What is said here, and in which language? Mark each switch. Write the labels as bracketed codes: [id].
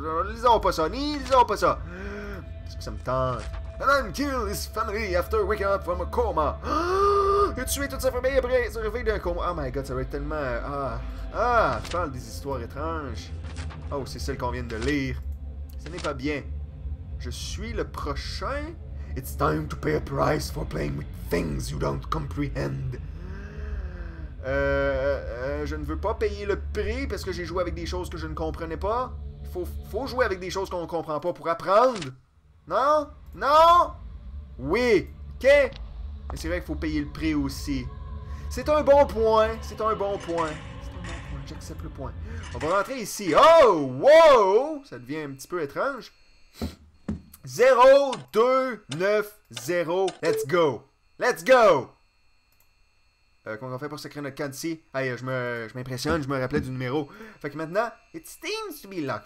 [fr] Lisons pas ça, n'lisons pas ça. Parce que ça me tente. [en] And then kill his family after waking up from a coma. [fr] Il a tué toute sa famille après se réveiller d'un coma. [en] Oh my god, [fr] ça va être tellement. Ah, je parle des histoires étranges. Oh, c'est celle qu'on vient de lire. Ce n'est pas bien. Je suis le prochain. [en] It's time to pay a price for playing with things you don't comprehend. [fr] Je ne veux pas payer le prix parce que j'ai joué avec des choses que je ne comprenais pas. Faut jouer avec des choses qu'on ne comprend pas pour apprendre. Non? Non? Oui. Ok. Mais c'est vrai qu'il faut payer le prix aussi. C'est un bon point. C'est un bon point. J'accepte le point. On va rentrer ici. Oh! Wow! Ça devient un petit peu étrange. 0, 2, 9, 0. [en] Let's go. Let's go! [fr] Comment on fait pour se créer notre code ici? Hey, je m'impressionne. Je me rappelais du numéro. Fait que maintenant, [en] it seems to be locked.